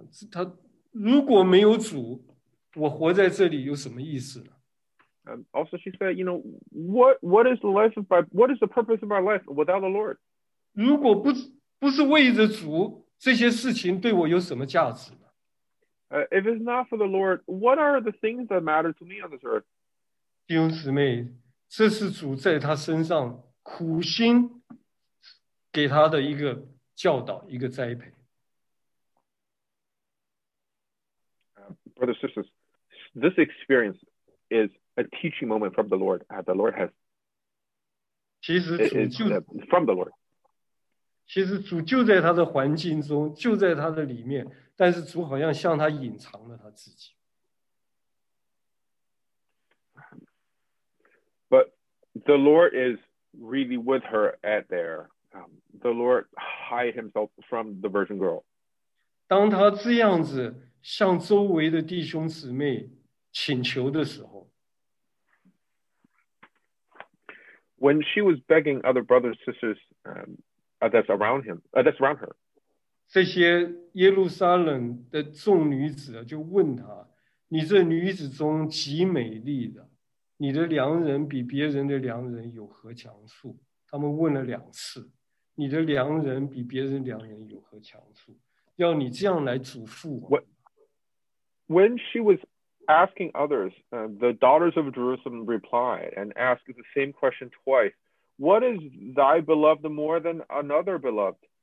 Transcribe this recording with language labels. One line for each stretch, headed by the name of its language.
Chinese: 她如果没有主，我活在这里有什么意思呢？
English: Also, she said, you know, what is the life of my, what is the purpose of my life without the Lord?
Chinese: 如果不是为着主，这些事情对我有什么价值呢？
English: If it's not for the Lord, what are the things that matter to me on this earth?
Chinese: 弟兄姊妹，这是主在他身上苦心给他的一个教导，一个栽培。
English: Brothers, sisters, this experience is a teaching moment from the Lord. The Lord has,
Chinese: 其实主就
English: from the Lord.
Chinese: 其实主就在他的环境中，就在他的里面，但是主好像向他隐藏了他自己。
English: But the Lord is really with her at there. The Lord hide himself from the virgin girl.
Chinese: 当他这样子向周围的弟兄姊妹请求的时候，
English: When she was begging other brothers and sisters that's around her,
Chinese: 这些耶路撒冷的众女子就问她，你这女子中极美丽的，你的良人比别人的良人有何强处？他们问了两次，你的良人比别人良人有何强处？要你这样来嘱咐我。
English: When she was asking others, the daughters of Jerusalem replied and asked the same question twice. What is thy beloved more than another beloved?